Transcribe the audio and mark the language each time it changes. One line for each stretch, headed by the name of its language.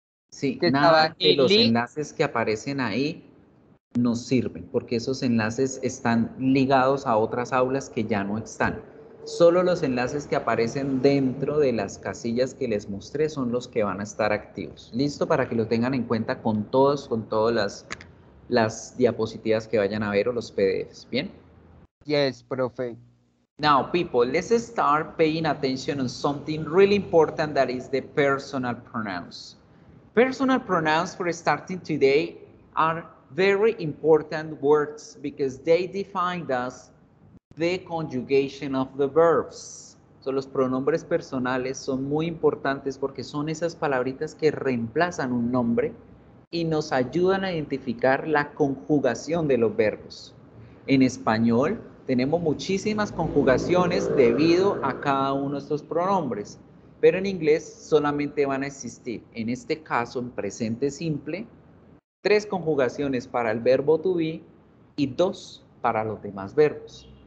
Spanish: Sí, nada que los enlaces que aparecen ahí nos sirven, porque esos enlaces están ligados a otras aulas que ya no están. Solo los enlaces que aparecen dentro de las casillas que les mostré son los que van a estar activos. Listo, para que lo tengan en cuenta con todas las las diapositivas que vayan a ver o los PDFs, ¿bien?
English: Yes, profe. Now, people, let's start paying attention on something really important that is the personal pronouns. Personal pronouns for starting today are very important words because they define us the conjugation of the verbs.
Spanish: So, los pronombres personales son muy importantes porque son esas palabritas que reemplazan un nombre y nos ayudan a identificar la conjugación de los verbos. En español, tenemos muchísimas conjugaciones debido a cada uno de estos pronombres, pero en inglés solamente van a existir, en este caso, en presente simple, tres conjugaciones para el verbo to be y dos para los demás verbos.